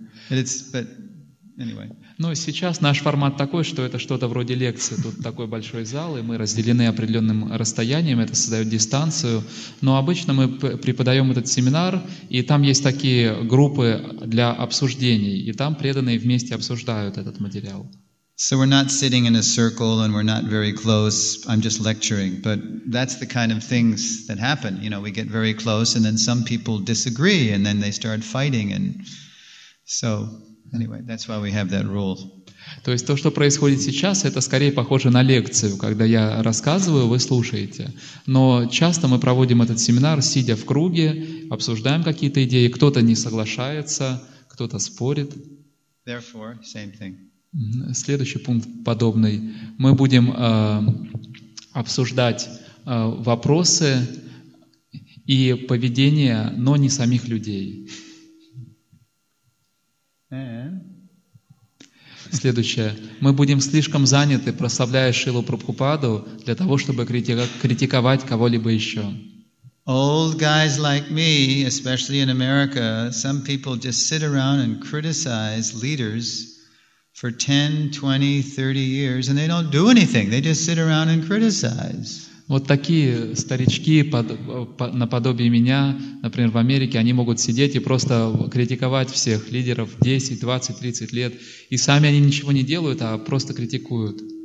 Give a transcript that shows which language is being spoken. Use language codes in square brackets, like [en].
[en] But anyway. [ru] Но сейчас наш формат такой, что это что-то вроде лекции. Тут такой большой зал, и мы разделены определенным расстоянием, это создает дистанцию. Но обычно мы преподаем этот семинар, и там есть такие группы для обсуждений, и там преданные вместе обсуждают этот материал. [en] So we're not sitting in a circle and we're not very close. I'm just lecturing. But that's the kind of things that happen. You know, we get very close and then some people disagree and then they start fighting. And so... Anyway, that's why we have that rule. [ru] То есть то, что происходит сейчас, это скорее похоже на лекцию, когда я рассказываю, вы слушаете. Но часто мы проводим этот семинар, сидя в круге, обсуждаем какие-то идеи, кто-то не соглашается, кто-то спорит. [en] Therefore, same thing. [ru] Следующий пункт подобный. Мы будем обсуждать вопросы и поведение, но не самих людей. Следующее. Мы будем слишком заняты, прославляя Шрилу Прабхупаду, для того, чтобы критиковать кого-либо еще. [en] Old guys like me, especially in America, some people just sit around and criticize leaders for 10, 20, 30 years, and they don't do anything. They just sit around and criticize. [ru] Вот такие старички наподобие меня, например, в Америке, они могут сидеть и просто критиковать всех лидеров 10, 20, 30 лет, и сами они ничего не делают, а просто критикуют.